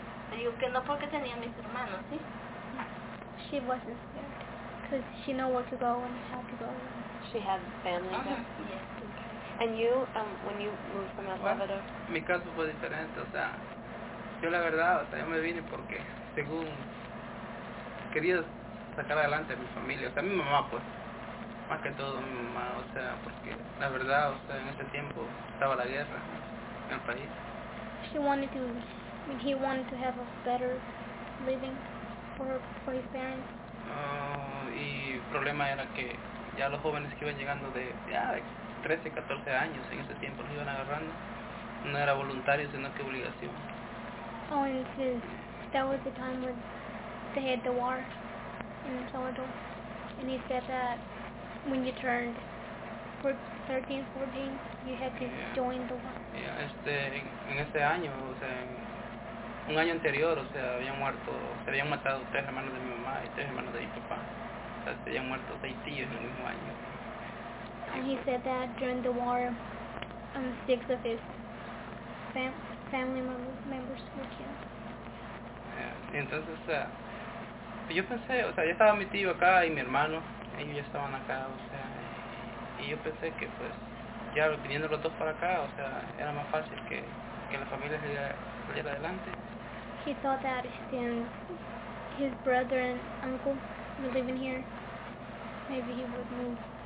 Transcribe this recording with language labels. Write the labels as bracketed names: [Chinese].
[Spanish] Me digo que no porque tenía mis hermanos, ¿sí? [English] She wasn't scared. Because she knew where to go and how to go. She had family there. Yes. And you, when you moved from El Salvador? [Spanish] Bueno, mi caso fue diferente, o sea, yo la verdad, o sea, yo me vine porque según quería sacar adelante a mi familia, o sea, a mi mamá, pues, más que todo mi mamá, o sea, porque la verdad, o sea, en ese tiempo estaba la guerra en el país. [English] She wanted to, he wanted to have a better living for his parents. [Spanish] Y el problema era que ya los jóvenes que iban llegando de 13, 14 años en ese tiempo los iban agarrando. No era voluntario, sino que obligación. [English] Oh, and since that was the time when they had the war in Salvador. And he said that when you turned 13, 14, you had to join the war. [Spanish] Yeah, en ese año, o sea, un año anterior, o sea, se habían matado 3 hermanos de mi mamá y 3 hermanos de mi papá. O sea, se habían muerto 6 tíos en el mismo año. [English] And he said that during the war, 6 of his family members were killed. Yeah. [Spanish] Entonces, yo pensé, o sea, ya estaba mi tío acá y mi hermano, ellos ya estaban acá, o sea, y yo pensé que, pues, ya viniendo los dos para acá, o sea, era más fácil que la familia saliera adelante. [English] He thought that since his brother and uncle were living here, maybe he would move.